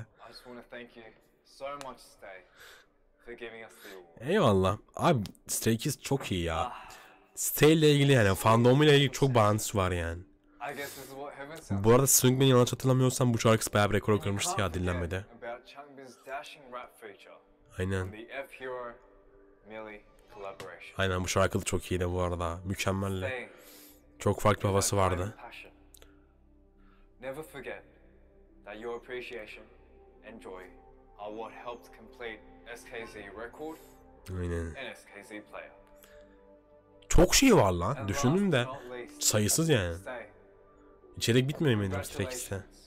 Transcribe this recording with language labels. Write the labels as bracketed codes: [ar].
[en] I just want to thank you so much, Stay, for giving us the award. [tr] Eyvallah. Abi Stray Kids çok iyi ya. Stay ile ilgili yani fandom ile ilgili çok bağlantısı var yani. [en] I guess this is what heaven sounds. [tr] Bu arada Sung, ben yanlış hatırlamıyorsam bu şarkısı bayağı bir rekor kırmıştı ya dinlenmede. [en] About Changbin's dashing rap feature. [tr] Aynen. [en] The F Hero Millie collaboration. [tr] Aynen, bu şarkı da çok iyiydi bu arada. Mükemmelle. Çok farklı bir havası vardı. [en] Never forget that your appreciation and joy are what helped complete SKZ record [tr] Aynen. [en] and SKZ player. [tr] Çok şey var lan. Düşündüm de sayısız yani. İçerik bitmiyor eminim Strex'te.